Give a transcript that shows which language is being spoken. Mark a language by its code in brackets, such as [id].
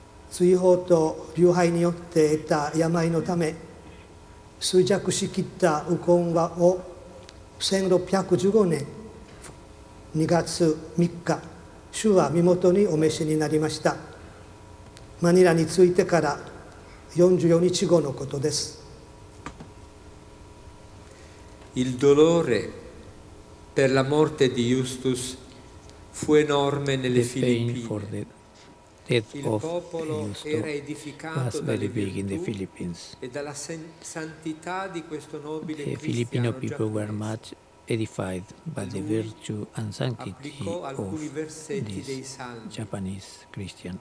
[ja] 追放と流敗によって得た病のため衰弱しきった右近を1615年2月3日主は身元にお召しになりました。マニラに着いてから44日後のことです。 [it] Il dolore per la morte di Justus fu enorme nelle Filippine. [en] Death of Justus was very big in the Philippines. [it] E dalla santità di questo nobile cristiano. [en] The Filipino people were much edified by the virtue and sanctity of this Japanese Christian.